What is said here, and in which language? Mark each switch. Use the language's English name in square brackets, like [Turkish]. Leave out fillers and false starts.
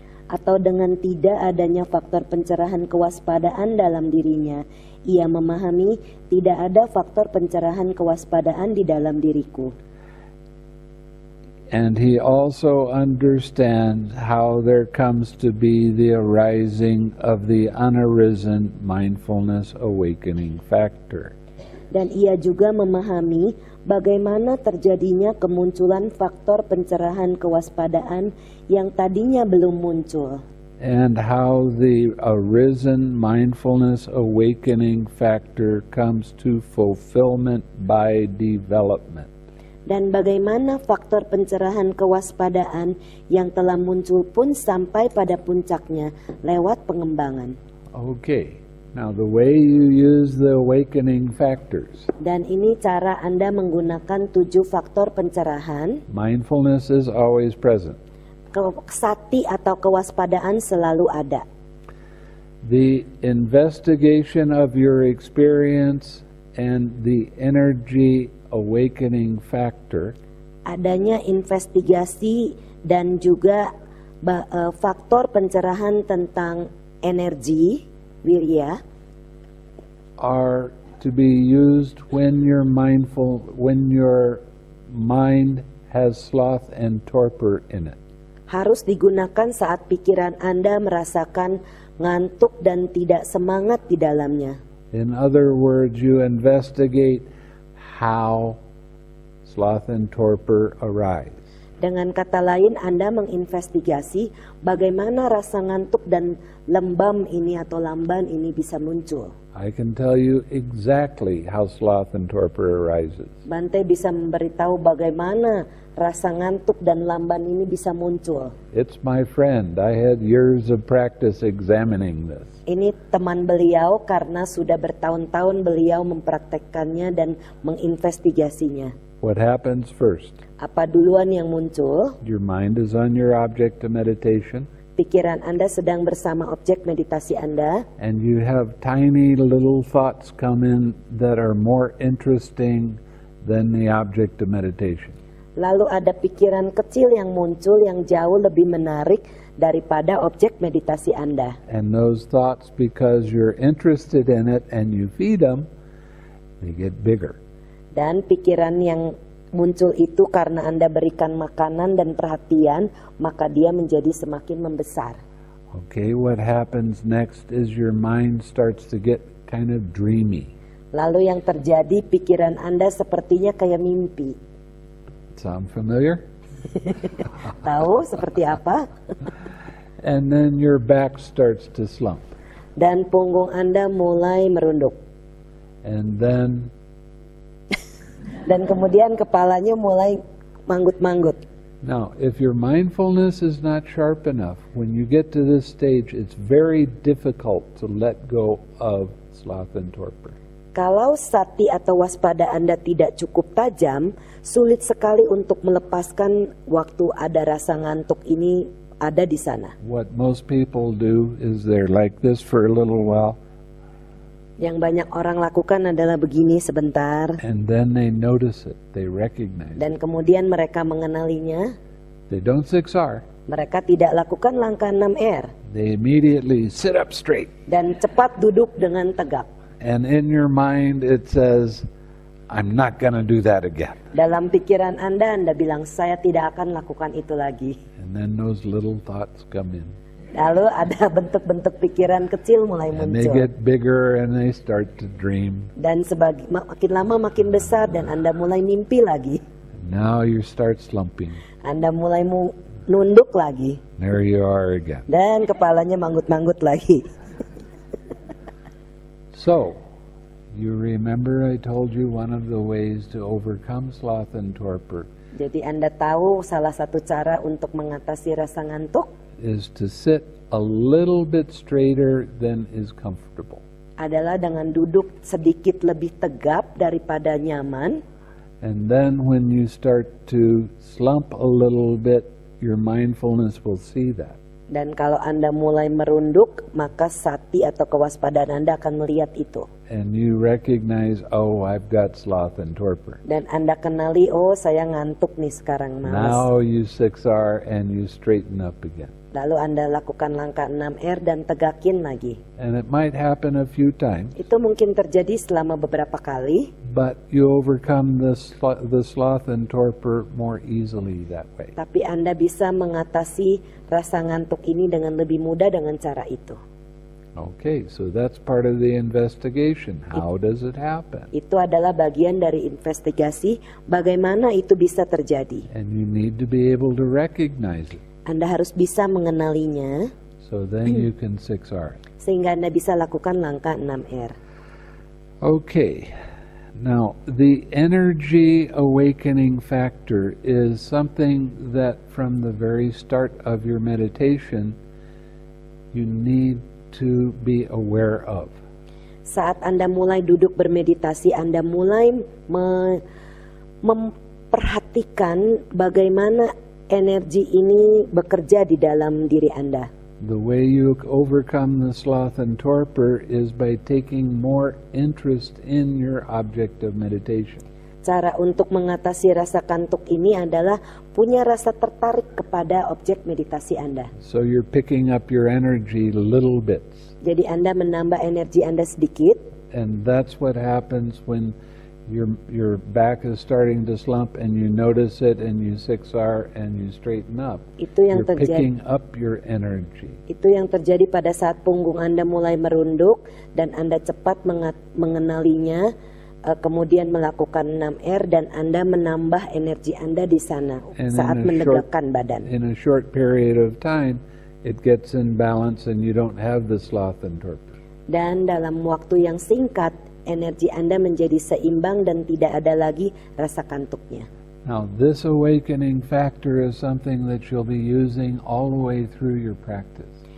[Indonesian] Atau dengan tidak adanya faktor pencerahan kewaspadaan dalam dirinya, ia memahami tidak ada faktor pencerahan kewaspadaan di dalam diriku. [English] And he also understands how there comes to be the arising of the unarisen mindfulness awakening factor. [Indonesian] Dan ia juga memahami bagaimana terjadinya kemunculan faktor pencerahan kewaspadaan yang tadinya belum muncul. [English] And how the arisen mindfulness awakening factor comes to fulfillment by development. [Indonesian] dan bagaimana faktor pencerahan kewaspadaan yang telah muncul pun sampai pada puncaknya lewat pengembangan. [English] Okay. Now the way you use the awakening factors. [Indonesian] Dan ini cara Anda menggunakan 7 faktor pencerahan. [English] Mindfulness is always present. [Indonesian] Kesati atau kewaspadaan selalu ada. [English] The investigation of your experience and the energy awakening factor. [Indonesian] Adanya investigasi dan juga faktor pencerahan tentang energi, wirya. [English] Are to be used when you're mindful, when your mind has sloth and torpor in it. [Indonesian] Harus digunakan saat pikiran Anda merasakan ngantuk dan tidak semangat di dalamnya. [English] In other words, you investigate how sloth and torpor arise. [Indonesian] Dengan kata lain, Anda menginvestigasi bagaimana rasa ngantuk dan lembam ini atau lamban ini bisa muncul. [English] I can tell you exactly how sloth and torpor arises. [Indonesian] Bante bisa memberitahu bagaimana rasa ngantuk dan lamban ini bisa muncul. [English] It's my friend. I had years of practice examining this. [Indonesian] Ini teman beliau karena sudah bertahun-tahun beliau mempraktekkannya dan menginvestigasinya. [English] What happens first? [Indonesian] Apa duluan yang muncul? [English] Your mind is on your object of meditation. [Indonesian] Pikiran Anda sedang bersama objek meditasi Anda. [English] And you have tiny little thoughts come in that are more interesting than the object of meditation. [Indonesian] Lalu ada pikiran kecil yang muncul yang jauh lebih menarik daripada objek meditasi Anda. [English] And those thoughts, because you're interested in it and you feed them, they get bigger. [Indonesian] Dan pikiran yang muncul itu karena Anda berikan makanan dan perhatian, maka dia menjadi semakin membesar. [English] Okay, what happens next is your mind starts to get kind of dreamy. [Indonesian] Lalu yang terjadi, pikiran Anda sepertinya kayak mimpi. [English] Sound familiar? [Indonesian] Tahu seperti apa? [English] And then your back starts to slump. [Indonesian] Dan punggung Anda mulai merunduk. [English] And then [Indonesian] dan kemudian kepalanya mulai manggut-manggut. [English] Now, if your mindfulness is not sharp enough, when you get to this stage, it's very difficult to let go of sloth and torpor. [Indonesian] Kalau sati atau waspada Anda tidak cukup tajam, sulit sekali untuk melepaskan waktu ada rasa ngantuk ini ada di sana. [English] What most people do is they're like this for a little while. [Indonesian] Yang banyak orang lakukan adalah begini sebentar. [English] And then they notice it, they recognize. [Indonesian] Dan kemudian mereka mengenalinya. [English] They don't 6R. [Indonesian] Mereka tidak lakukan langkah 6R. [English] They immediately sit up straight. [Indonesian] Dan cepat duduk dengan tegak. [English] And in your mind it says, I'm not going to do that again. [Indonesian] Dalam pikiran Anda, Anda bilang saya tidak akan lakukan itu lagi. [English] And then those little thoughts come in. [Indonesian] Lalu ada bentuk-bentuk pikiran kecil mulai [English] and [Indonesian] muncul. [English] They get bigger and they start to dream. [Indonesian] Dan makin lama makin besar dan Anda mulai mimpi lagi. [English] Now you start slumping. [Indonesian] Anda mulai nunduk lagi. [English] There you are again. [Indonesian] Dan kepalanya manggut-manggut lagi. [English] So, you remember I told you one of the ways to overcome sloth and torpor. [Indonesian] Jadi Anda tahu salah satu cara untuk mengatasi rasa ngantuk [English] is to sit a little bit straighter than is comfortable. [Indonesian] Adalah dengan duduk sedikit lebih tegap daripada nyaman. [English] And then when you start to slump a little bit, your mindfulness will see that. [Indonesian] Dan kalau Anda mulai merunduk, maka sati atau kewaspadaan Anda akan melihat itu. [English] And you recognize, oh, I've got sloth and torpor. [Indonesian] Dan Anda kenali, oh, saya ngantuk nih sekarang, Mas. [English] Now you 6R and you straighten up again. [Indonesian] Lalu Anda lakukan langkah 6R dan tegakin lagi. [English] And it might happen a few times. [Indonesian] Itu mungkin terjadi selama beberapa kali. [English] But you overcome the sloth and torpor more easily that way. [Indonesian] Tapi Anda bisa mengatasi rasa ngantuk ini dengan lebih mudah dengan cara itu. [English] Okay, so that's part of the investigation. How does it happen? [Indonesian] Itu adalah bagian dari investigasi bagaimana itu bisa terjadi. [English] And you need to be able to recognize it. [Indonesian] Anda harus bisa mengenalinya. [English] So then you can 6R. [Indonesian] Sehingga Anda bisa lakukan langkah 6R. [English] Okay. Now, the energy awakening factor is something that from the very start of your meditation, you need to be aware of. [Indonesian] Saat Anda mulai duduk bermeditasi, Anda mulai memperhatikan bagaimana energi ini bekerja di dalam diri Anda. [English] The way you overcome the sloth and torpor is by taking more interest in your object of meditation. [Indonesian] Cara untuk mengatasi rasa kantuk ini adalah punya rasa tertarik kepada objek meditasi Anda. [English] So you're picking up your energy little bits. [Indonesian] Jadi Anda menambah energi Anda sedikit. [English] And that's what happens when your back is starting to slump and you notice it and you six R and you straighten up. [Indonesian] Itu yang [English] you're [Indonesian] terjadi. [English] Picking up your energy. [Indonesian] Itu yang terjadi pada saat punggung Anda mulai merunduk dan Anda cepat mengenalinya. Kemudian melakukan 6R dan Anda menambah energi Anda di sana [English] and [Indonesian] saat menegakkan badan. [English] In a short period of time, it gets in balance and you don't have the sloth and torpor. [Indonesian] Dan dalam waktu yang singkat, energi Anda menjadi seimbang dan tidak ada lagi rasa kantuknya. [English] Now, this awakening factor is something that you'll be using all the way through your practice.